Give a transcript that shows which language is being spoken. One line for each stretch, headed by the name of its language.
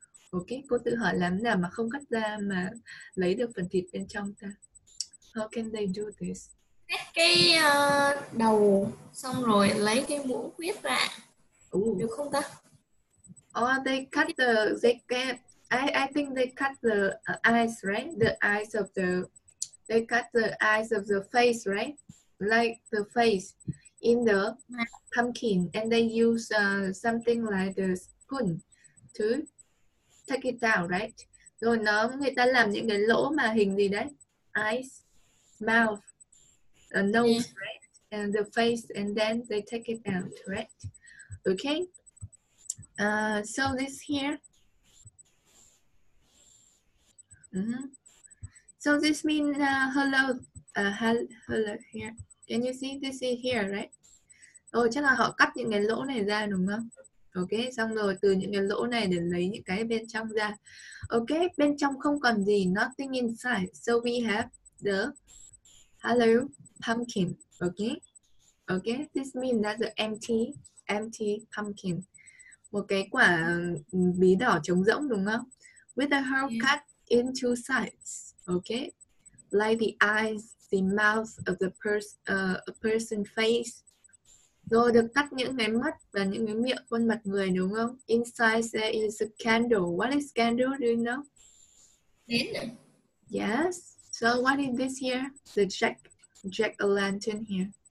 Vietnamese: Okay, cô tự hỏi làm nào mà không cắt ra mà lấy được phần thịt bên trong ta?
English: How can they do this?
Vietnamese: Cái đầu xong rồi lấy cái muỗng quyết ra. Ooh. Được không ta?
English: Oh, they cut the... I think they cut the eyes, right? The eyes of the... They cut the eyes of the face, right? like the face in the pumpkin, and they use something like the spoon to take it down, right?
Vietnamese: Rồi nó người ta làm những cái lỗ mà hình gì đấy?
English: Eyes, mouth, the nose, yeah. Right? And the face, and then they take it out, right? Okay. So this here. Mm-hmm. So this means hello. Hello here. Can you see this is here, right?
Vietnamese: Oh, chắc là họ cắt những cái lỗ này ra đúng không? Ok, xong rồi từ những cái lỗ này để lấy những cái bên trong ra. Ok, bên trong không còn gì,
English: nothing inside. So we have the hello pumpkin. Ok, ok, this means that's an empty pumpkin.
Vietnamese: Một cái quả bí đỏ trống rỗng đúng không?
English: With the hole cut into sides. Ok, like the eyes, the mouth of the person's face.
Vietnamese: Rồi được cắt những cái mắt và những cái miệng khuôn mặt người đúng không?
English: Inside there is a candle. What is candle, do you know?
Vietnamese: Nến.
English: Yes. So what is this here? The jack-o'-lantern here.